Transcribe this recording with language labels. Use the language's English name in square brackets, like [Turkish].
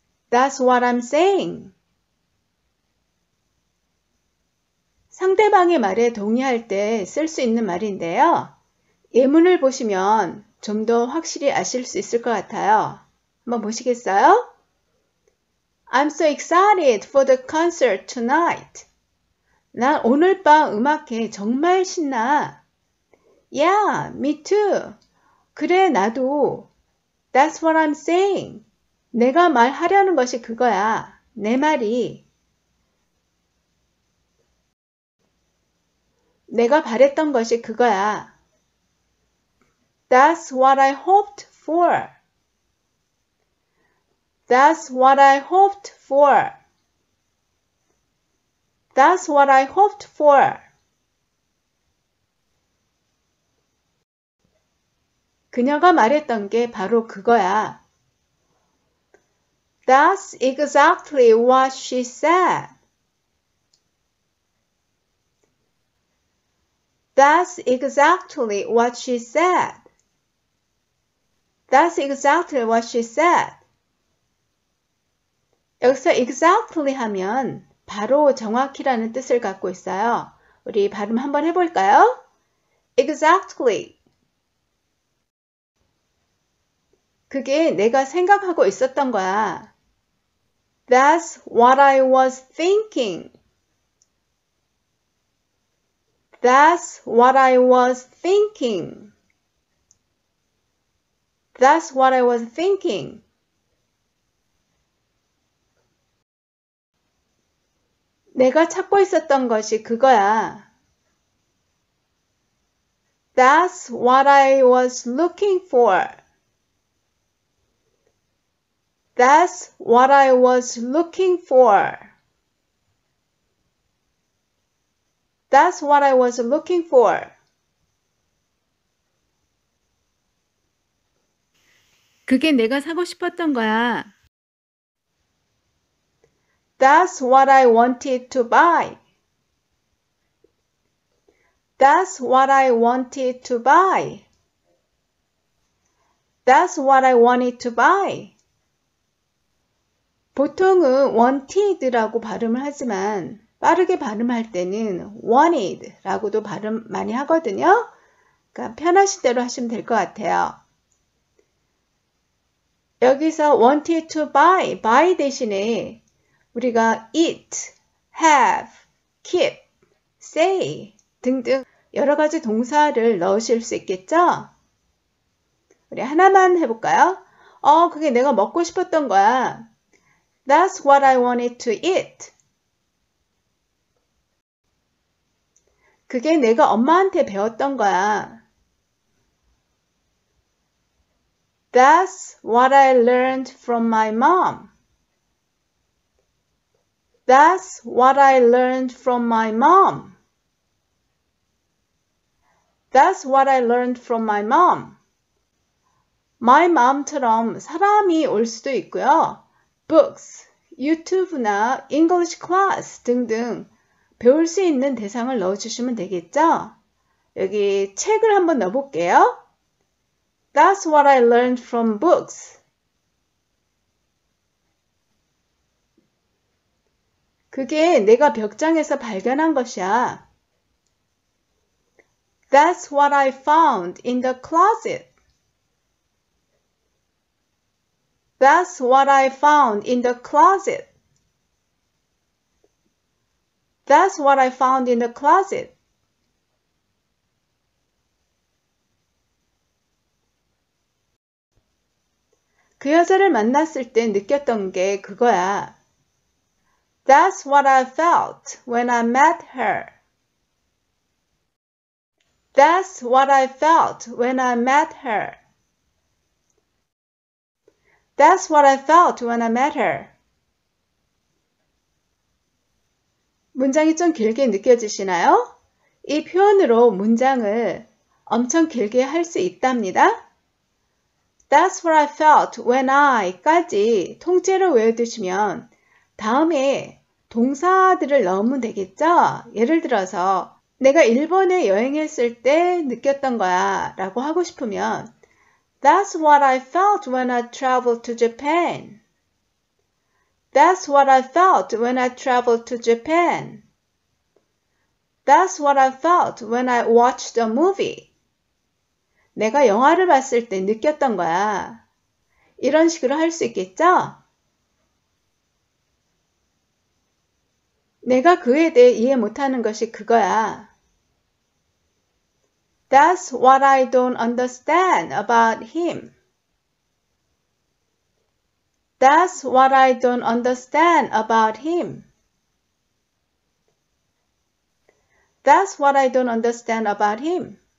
[English] That's what I'm saying. [Korean] 상대방의 말에 동의할 때 쓸 수 있는 말인데요. 예문을 보시면 좀 더 확실히 아실 수 있을 것 같아요. 한번 보시겠어요? [English] I'm so excited for the concert tonight. [Korean] 난 오늘 밤 음악회 정말 신나. [English] Yeah, me too. [Korean] 그래, 나도. [English] That's what I'm saying. [Korean] 내가 말하려는 것이 그거야. 내 말이. 내가 바랬던 것이 그거야. [English] That's what I hoped for. That's what I hoped for. That's what I hoped for. [Korean] 그녀가 말했던 게 바로 그거야. [English] That's exactly what she said. That's exactly what she said. That's exactly what she said. [Korean] 여기서 exactly 하면 바로 정확히라는 뜻을 갖고 있어요. 우리 발음 한번 해볼까요? [English] Exactly. [Korean] 그게 내가 생각하고 있었던 거야. [English] That's what I was thinking. That's what I was thinking. That's what I was thinking. [Korean] 내가 찾고 있었던 것이 그거야. [English] That's what I was looking for. That's what I was looking for. That's what I was looking for. [Korean] 그게 내가 사고 싶었던 거야. [English] That's what I wanted to buy. That's what I wanted to buy. That's what I wanted to buy. [Korean] 보통은 wanted라고 발음을 하지만 빠르게 발음할 때는 wanted라고도 발음 많이 하거든요. 그러니까 편하신 대로 하시면 될 것 같아요. 여기서 [English] wanted to buy, [Korean] buy 대신에 우리가 eat, have, keep, say 등등 여러 가지 동사를 넣으실 수 있겠죠? 우리 하나만 해볼까요? 그게 내가 먹고 싶었던 거야. [English] That's what I wanted to eat. [Korean] 그게 내가 엄마한테 배웠던 거야. [English] That's what I learned from my mom. That's what I learned from my mom. That's what I learned from my mom. [Korean] My mom처럼 사람이 올 수도 있고요. Books, YouTube나 English class 등등 배울 수 있는 대상을 넣어주시면 되겠죠? 여기 책을 한번 넣어볼게요. [English] That's what I learned from books. [Korean] 그게 내가 벽장에서 발견한 것이야. [English] That's what I found in the closet. That's what I found in the closet. That's what I found in the closet. [Korean] 그 여자를 만났을 때 느꼈던 게 그거야. [English] That's what I felt when I met her. That's what I felt when I met her. That's what I felt when I met her. [Korean] 문장이 좀 길게 느껴지시나요? 이 표현으로 문장을 엄청 길게 할수 있답니다. [English] That's what I felt when I [Korean] 까지 통째로 외워두시면 다음에 동사들을 넣으면 되겠죠? 예를 들어서 내가 일본에 여행했을 때 느꼈던 거야 라고 하고 싶으면 [English] That's what I felt when I traveled to Japan. That's what I felt when I traveled to Japan. That's what I felt when I watched a movie. [Korean] 내가 영화를 봤을 때 느꼈던 거야. 이런 식으로 할수 있겠죠? 내가 그에 대해 이해 못하는 것이 그거야. [English] That's what I don't understand about him. That's what I don't understand about him. That's what I don't understand about him.